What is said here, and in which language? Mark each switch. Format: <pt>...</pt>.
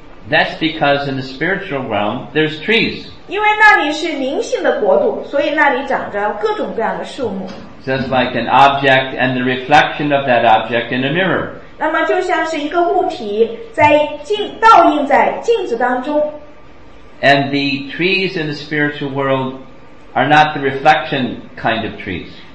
<en>That's because in the spiritual realm there's trees.</en> <zh>因为那里是灵性的国度，所以那里长着各种各样的树木。</zh> <en>Just like an object and the reflection of that object in a mirror.</en> <zh>那么就像是一个物体倒映在镜子当中。</zh> <en>And the trees in the spiritual world are not the reflection kind of trees.</en>